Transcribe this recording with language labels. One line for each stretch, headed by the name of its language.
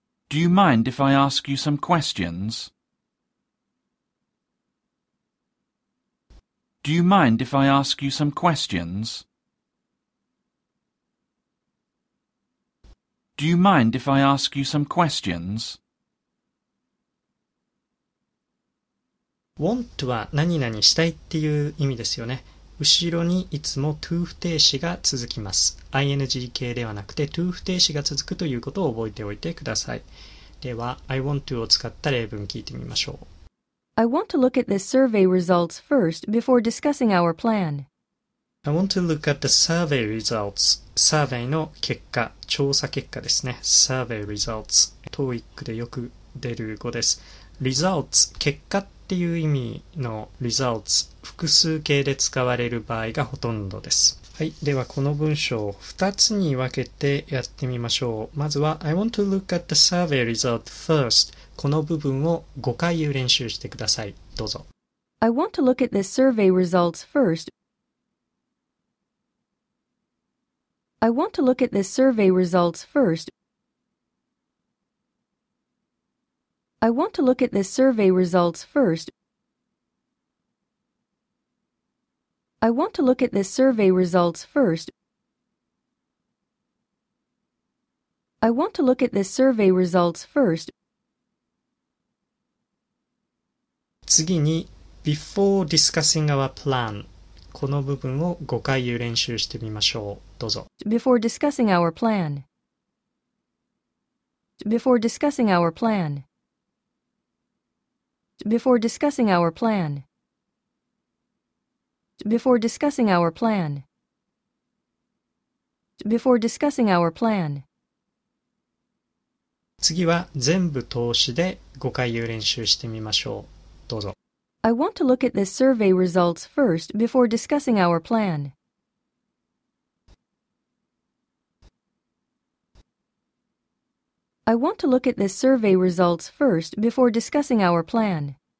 English: Do you mind if I ask you some questions? Do you mind if I ask you some questions? Do you mind if I ask you some questions?
Japanese: Want は何々したいっていう意味ですよね。後ろにいつも to 不定詞が続きます。 ing 形ではなくて to 不定詞が続くということを覚えておいてください。では、I want to を使った例文聞いてみましょう。
English: I want to look at the survey results first before discussing our plan. I want to look at the survey results.
Japanese: Survey の結果、調査結果ですね。Survey results. TOEIC でよく出る語です。Results、結果っていう意味の results、複数形で使われる場合がほとんどです。はい、ではこの文章を2つに分けてやってみましょう。まずは
English: I want to look at the survey result first.
Japanese: この部分を5回言う練習してください。どうぞ。
English: I want to look at the survey results first. I want to look at the survey results first. I want to look at the survey results first. I want to look at the survey results first. I want to look at the survey results first.
Japanese: 次に
English: before discussing our plan
Japanese: この部分を5回言う練習してみましょう。どうぞ。
English: Before discussing our plan. Before discussing our plan. Before discussing our plan. Before discussing our plan. Before discussing our plan.
Japanese: 次は全部通しで5回言う練習してみましょう。どうぞ。
English: I want to look at the survey results first before discussing our plan. I want to look at the survey results first before discussing our plan.